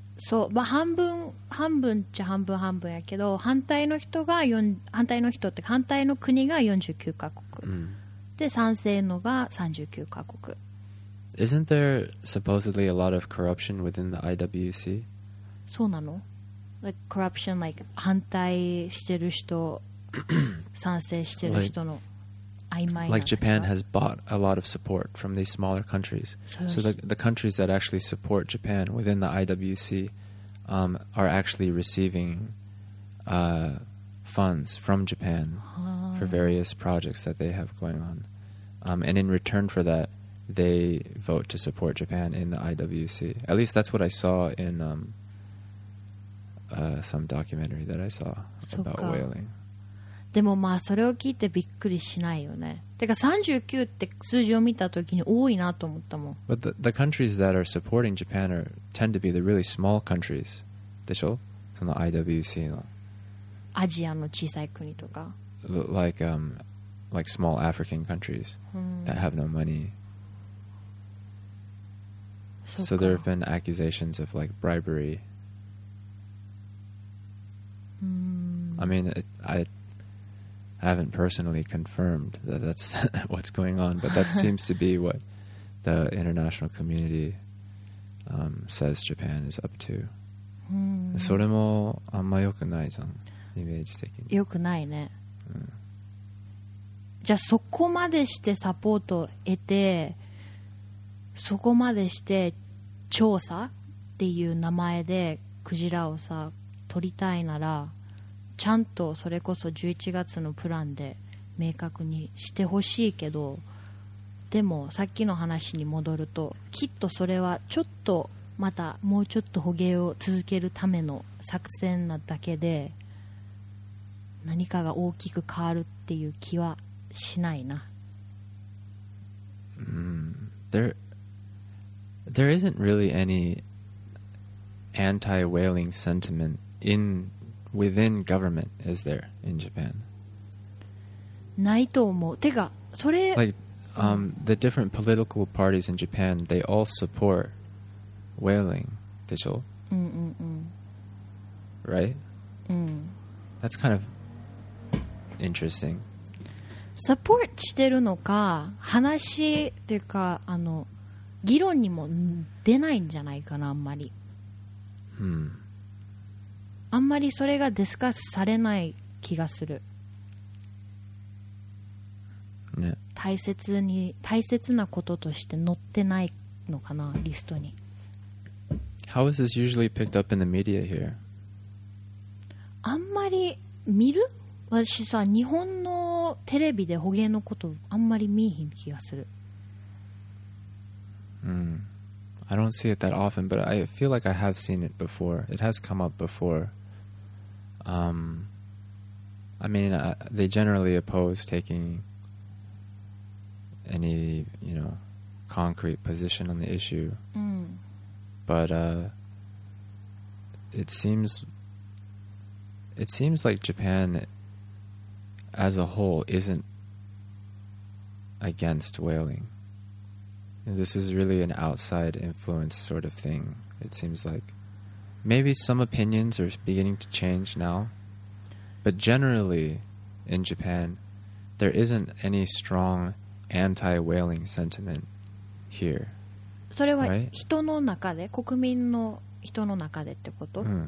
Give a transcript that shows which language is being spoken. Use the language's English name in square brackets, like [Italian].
[Japanese] そう、まあ半分っちゃ半分やけど、反対の国が49カ国。で、賛成のが39カ国。 [English] Isn't there supposedly a lot of corruption within the IWC? [Japanese] そうなの？ [English] Like corruption, like [Japanese] 反対してる人、賛成してる人の曖昧な。 [English] Like Japan has bought a lot of support from these smaller countries. So the countries that actually support Japan within the IWC, are actually receiving, funds from Japan for various projects that they have going on. And in return for that, they vote to support Japan in the IWC. At least that's what I saw in, some documentary that I saw about whaling. [Japanese] でもまあそれを聞いてびっくりしないよね。てか39って数字を見たときに多いなと思ったもん。 [English] But the countries that are supporting Japan tend to be the really small countries, [Japanese] でしょ？その IWC の。アジアの小さい国とか。 [English] Like small African countries that have no money. So there have been accusations of like bribery. I mean, I haven't personally confirmed that that's what's going on, but that seems to be what the international community, says Japan is up to. [Japanese] それもあんま良くないじゃん、イメージ的に。良くないね。じゃあそこまでしてサポート得て、そこまでして調査っていう名前でクジラをさ取りたいなら、ちゃんとそれこそ11月のプランで明確にしてほしいけど、でもさっきの話に戻ると、きっとそれはちょっとまたもうちょっと捕鯨を続けるための作戦なだけで、何かが大きく変わるっていう気はしないな。 [English] There isn't really any anti-whaling sentiment inwithin government, is there in Japan? [Japanese] ないと思う。てかそれ、 [English] the different political parties in Japan, they all support whaling, [Japanese] でしょ？ [English] Right? That's kind of interesting. [Japanese] Support してるのか、話というか、あの議論にも出ないんじゃないかな、あんまり。あんまりそれがディスカスされない気がする、ね、大切なこととして載ってないのかな、リストに。 [English] How is this usually picked up in the media here? [Japanese] あんまり見る？私さ、日本のテレビで捕鯨のことあんまり見えへん気がする。 Mm. [English] I don't see it that often, but I feel like I have seen it before. It has come up before. They generally oppose taking any, you know, concrete position on the issue. Mm. But it seems like Japan as a whole isn't against whaling. This is really an outside influence sort of thing, it seems like. Maybe some opinions are beginning to change now, but generally in Japan, there isn't any strong anti-whaling sentiment here. [Japanese] それは人の中で、国民の人の中でってこと？